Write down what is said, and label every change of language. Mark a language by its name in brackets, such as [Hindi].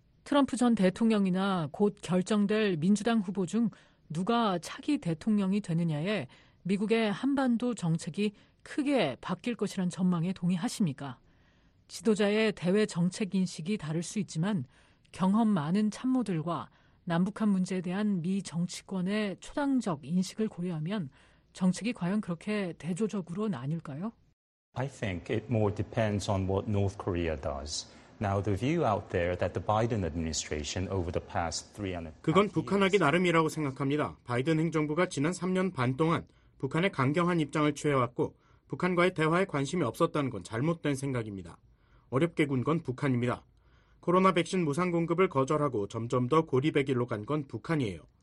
[Korean] 트럼프 전 대통령이나 곧 결정될 민주당 후보 중 누가 차기 대통령이 되느냐에 미국의 한반도 정책이 크게 바뀔 것이란 전망에 동의하십니까? 지도자의 대외 정책 인식이 다를 수 있지만 경험 많은 참모들과 남북한 문제에 대한 미 정치권의 초당적 인식을 고려하면 정책이 과연 그렇게 대조적으로 나뉠까요? [English] I think it more depends on what North Korea does. Now the view out there that the Biden administration over the past 3.5 years [Korean] 그건 북한하기 나름이라고 생각합니다. 바이든 행정부가 지난 3년 반 동안 북한에 강경한 입장을 취해왔고 북한과의 대화에 관심이 없었다는 건 잘못된 생각입니다. 어렵게 군 건 북한입니다. 코로나 백신 무상 공급을 거절하고 점점 더 고립의 길로 간 건 북한이에요.